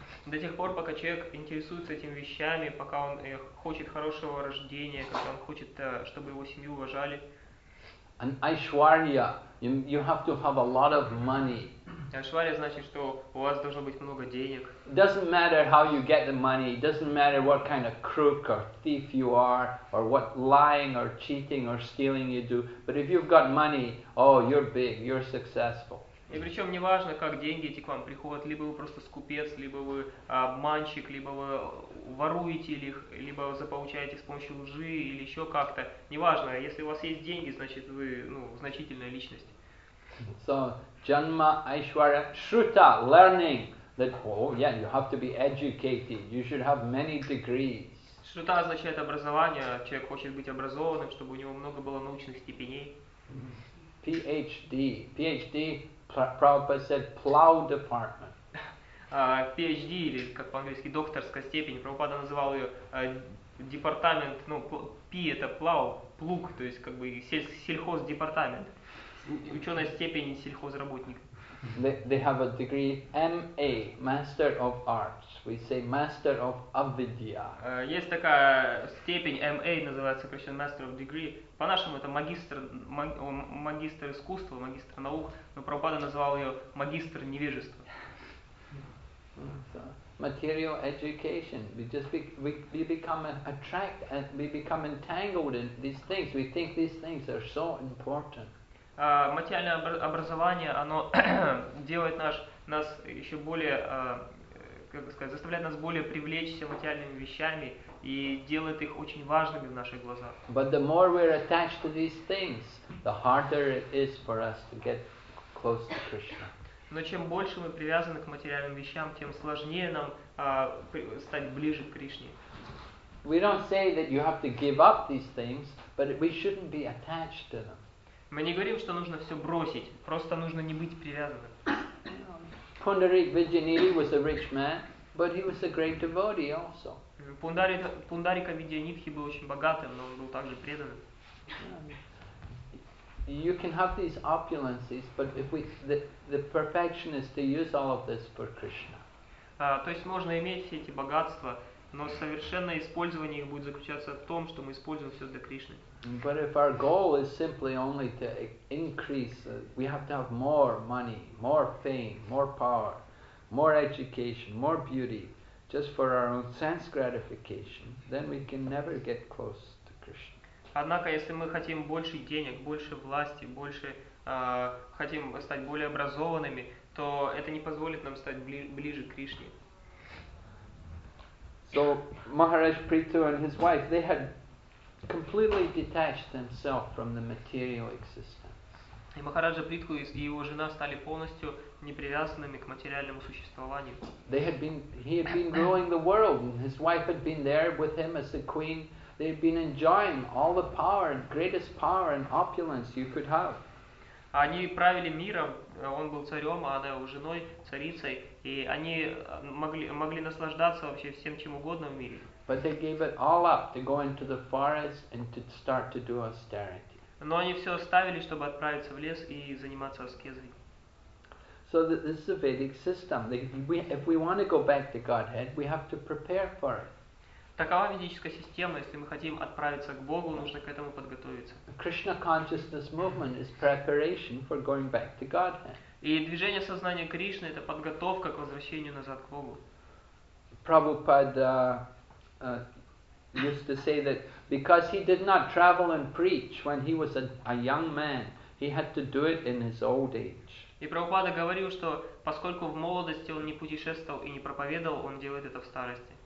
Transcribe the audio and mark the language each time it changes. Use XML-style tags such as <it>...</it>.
<ru>До тех пор, пока человек интересуется этими вещами, пока он хочет хорошего рождения, когда он хочет, чтобы его семью уважали.</ru> <en>And Aishwarya, you have to have a lot of money.</en> <ru>Aishwarya значит, что у вас должно быть много денег.</ru> <en>Doesn't matter how you get the money, doesn't matter what kind of crook or thief you are, or what lying or cheating or stealing you do, but if you've got money, oh, you're big, you're successful.</en> <ru>И причем не важно, как деньги эти к вам приходят, либо вы просто скупец, либо вы обманщик, либо вы воруете их, либо заполучаете с помощью лжи или еще как-то. Не важно, если у вас есть деньги, значит вы, ну, значительная личность.</ru> <en>So, Janma Aishwarya Shruta, learning that, oh yeah, you have to be educated, you should have many degrees.</en> <ru>Shruta означает образование, человек хочет быть образованным, чтобы у него много было научных степеней.</ru> <en>PhD. Prabhupada said, plow department.</en> <ru>PhD, или как по-английски, докторская степень, Прабхупада называл ее департамент, ну, P это plow, плуг, то есть как бы сельхоздепартамент. Ученая степень сельхозработник.</ru> <en>They have a degree MA, Master of Arts. We say Master of Avidya.</en> <ru>Есть такая степень MA, называется сокращенно</ru> <en>Master of Degree.</en> <ru>По-нашему это магистр искусства, магистр наук, но Прабхупада называл ее магистр невежества.</ru> <en>So, material education. We become entangled in these things. We think these things are so important.</en> <ru>Материальное образование, оно делает нас еще более, как сказать, заставляет нас более привлечься материальными вещами и делает их очень важными в наших глазах.</ru> <en>But the more we're attached to these things, the harder it is for us to get close to Krishna.</en> <ru>Но чем больше мы привязаны к материальным вещам, тем сложнее нам стать ближе к Кришне.</ru> <en>We don't say that you have to give up these things, but we shouldn't be attached to them.</en> <ru>Мы не говорим, что нужно все бросить, просто нужно не быть привязанным.</ru> <en>Пундарик Виджанини was a rich man, but he was a great devotee also.</en> <ru>Пундарика Виджанидхи был очень богатым, но он был также преданным.</ru> <en>You can have these opulences, but if we the perfection is to use all of this for Krishna.</en> <ru>То есть можно иметь все эти богатства, Но совершенное использование их будет заключаться в том, что мы используем все для Кришны.</ru> <en>But if our goal is simply only to increase, we have to have more money, more fame, more power, more education, more beauty, just for our own sense gratification, then we can never get close to Krishna.</en> <ru>Однако, если мы хотим больше денег, больше власти, больше хотим стать более образованными, то это не позволит нам стать ближе к Кришне.</ru> <en>So Maharaj Prithu and his wife, they had completely detached themselves from the material existence.</en> <ru>И Махараджа Притху и его жена стали полностью непривязанными к материальному существованию.</ru> <en>They had been, he had been ruling the world, and his wife had been there with him as the queen. They had been enjoying all the power, greatest power and opulence you could have.</en> <ru>Они правили миром, он был царем, а она его женой, царицей, и они могли наслаждаться вообще всем чем угодно в мире.</ru> <en>But they gave it all up to go into the forest and to start to do austerity.</en> <ru>Но они все оставили, чтобы отправиться в лес и заниматься аскезой.</ru> <en>So this is a Vedic system. If we want to go back to Godhead, we have to prepare for it.</en> <ru>Такова ведическая система. Если мы хотим отправиться к Богу, нужно к этому подготовиться.</ru> <en>Krishna consciousness movement is preparation for going back to Godhead.</en> <ru>И движение сознания Кришны — это подготовка к возвращению назад к Богу.</ru> <en>Prabhupada used to say that because he did not travel and preach when he was a young man, he had to do it in his old age.</en> <ru>И Прабхупада говорил, что поскольку в молодости он не путешествовал и не проповедовал, он делает это в старости.</ru>